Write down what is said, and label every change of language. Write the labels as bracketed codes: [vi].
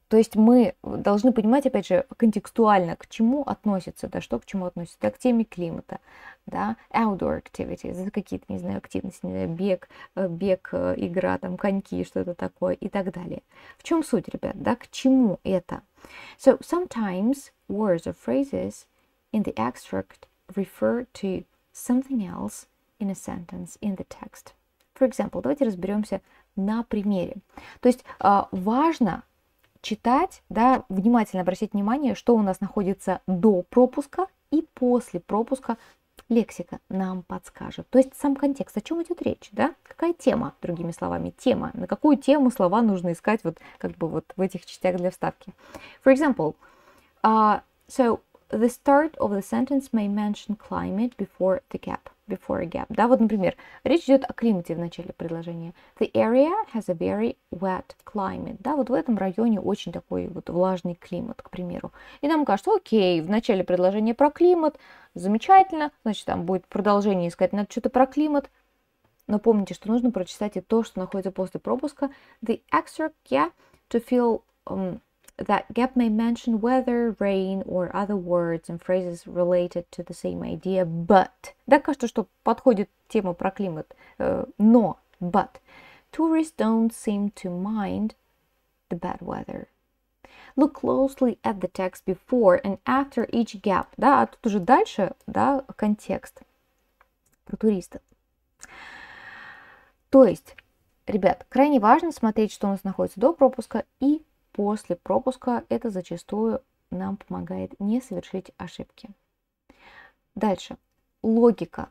[ru] То есть мы должны понимать, опять же, контекстуально, к чему относится, да, что к чему относится, да, к теме климата, да, [en] outdoor activities, [ru] это какие-то, не знаю, активности, не знаю, бег, игра, там, коньки, что-то такое и так далее. В чем суть, ребят, да, к чему это? [en] So, sometimes words or phrases in the extract refer to something else in a sentence in the text. For example, [ru] давайте разберемся на примере. То есть важно читать, да, внимательно обратить внимание, что у нас находится до пропуска и после пропуска. Лексика нам подскажет. То есть сам контекст, о чем идет речь, да? Какая тема, другими словами, тема. На какую тему слова нужно искать в этих частях для вставки. [en] For example, so the start of the sentence may mention climate before the gap. Before a gap. [ru] Да, например, речь идет о климате в начале предложения. [en] The area has a very wet climate. [ru] Да, в этом районе очень такой влажный климат, к примеру. И нам кажется, окей, в начале предложения про климат, замечательно, значит, там будет продолжение искать, надо что-то про климат. Но помните, что нужно прочитать и то, что находится после пропуска. [en] The extra gap to fill that gap may mention weather, rain or other words and phrases related to the same idea, but. [ru] Да, кажется, что подходит тема про климат, но, [en] but. Tourists don't seem to mind the bad weather. Look closely at the text before and after each gap. [ru] Да, а тут уже дальше, да, контекст про туриста. То есть, ребят, крайне важно смотреть, что у нас находится до пропуска и после пропуска. Это зачастую нам помогает не совершить ошибки. Дальше. Логика.